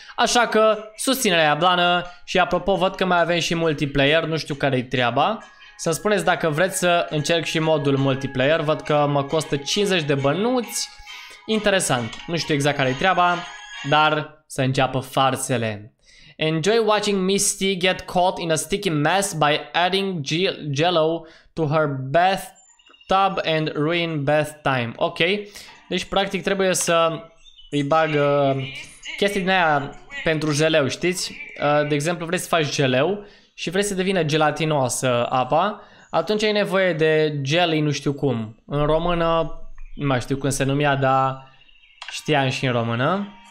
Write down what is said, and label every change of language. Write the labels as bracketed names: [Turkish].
[Romanian] Așa că susținerea blană. Și apropo, văd că mai avem și multiplayer, nu știu care-i treaba. Să-mi spuneți dacă vreți să încerc și modul multiplayer. Văd că mă costă 50 de bănuți. Interesant, nu știu exact care-i treaba, dar să înceapă farsele. [English] Enjoy watching Misty get caught in a sticky mess by adding jello to her bathtub and ruin bath time. [Romanian] Ok, deci practic trebuie să îi bag chestii din aia pentru jeleu, știți? De exemplu, vrei să faci jeleu și vrei să devină gelatinoasă apa, atunci ai nevoie de jelly nu știu cum. În română, nu mai știu cum se numea, dar știam și în română.